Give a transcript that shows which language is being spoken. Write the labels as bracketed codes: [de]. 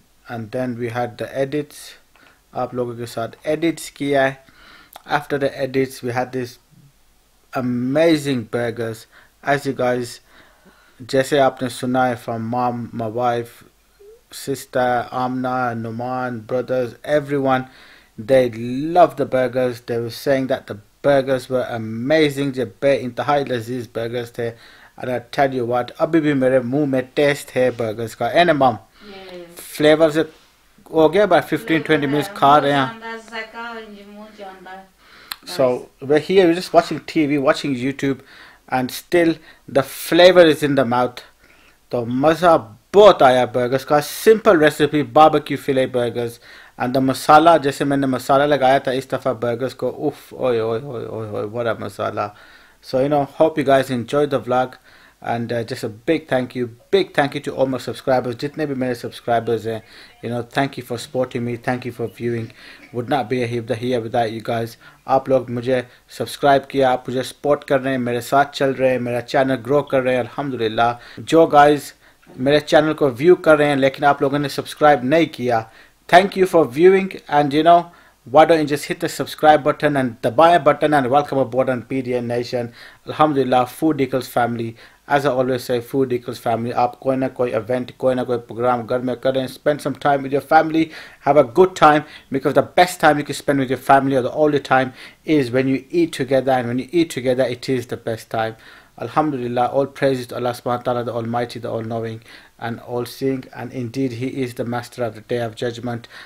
[en] And then we had the edits. [ur] آپ لوگو کے ساتھ edits کیا ہے۔ [en] After the edits, we had this amazing burgers. As you guys... [ur] جیسے آپ نے سنا ہے [en] from mom, my wife, sister, Amna, Numan, brothers, everyone. They loved the burgers. They were saying that the burgers were amazing. [ur] جے بے انتہائی لذیذ burgers تھے۔ [en] And I tell you what, [ur] ابھی بھی میرے منہ میں taste ہے burgers کا۔ [en] And mom, flavors [ur] سے ہو گیا [en] by 15-20 minutes [ur] کھا رہے ہیں۔ [en] So we're here, we're just watching TV, watching YouTube. And still, the flavor is in the mouth. [ur] So، مزہ بہت آیا burgers کا۔ [en] Simple recipe, barbecue fillet burgers. And the masala, [ur] جیسے میں نے مسالہ لگایا تھا اس دفعہ burgers کو۔ [en] Oof, oi, oi, oi, oi, oi, what a masala. So, you know, hope you guys enjoyed the vlog. And just a big thank you to all my subscribers. [ur] Jitne bhi mere subscribers hain, [en] you know, thank you for supporting me, thank you for viewing. Would not be here without you guys. [ur] آپ لوگ مجھے subscribe کیا، آپ مجھے support کر رہے ہیں، میرے ساتھ چل رہے ہیں، میرا channel grow کر رہے ہیں، الحمدللہ۔ جو guys میرے channel کو view کر رہے ہیں، لیکن آپ لوگوں نے subscribe نہیں کیا۔ [en] Thank you for viewing, and you know, why don't you just hit the subscribe button and the buy button and welcome aboard on PDN Nation. Alhamdulillah, food equals family. As I always say, food equals family. [ur] آپ کوئی نہ کوئی event، کوئی نہ کوئی program گھر میں کرے، [en] spend some time with your family. Have a good time, because the best time you can spend with your family or the only time is when you eat together, and when you eat together, it is the best time. Alhamdulillah, all praises to Allah subhanahu wa ta'ala, the Almighty, the All-Knowing and All-Seeing, and indeed He is the Master of the Day of Judgment.